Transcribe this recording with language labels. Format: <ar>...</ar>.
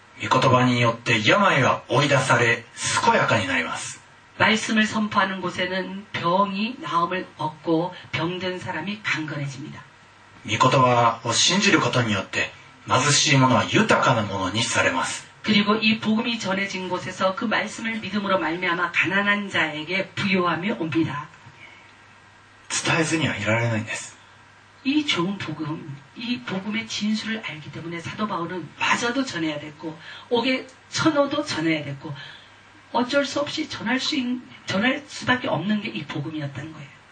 <ja>미言葉によって病は追い出され健やかになります</ja> <ko>말씀을선포하는곳에는병이나음을얻고병든사람이간건해집니다</ko> <ja>미言葉を信じることによって貧しい者は豊かな者にされます</ja> <ko>그리고이복음이전해진곳에서그말씀을믿음으로말미암아가난한자에게부요함이옵니다</ko> <ja>伝えずにはいられないんです</ja> <ko>이좋은복음이복음의진술을알기때문에사도바울은맞아도전해야됐고옥에쳐넣어도전해야됐고어쩔수없이전할 전할수밖에없는게이복음이었다는거예요</ko>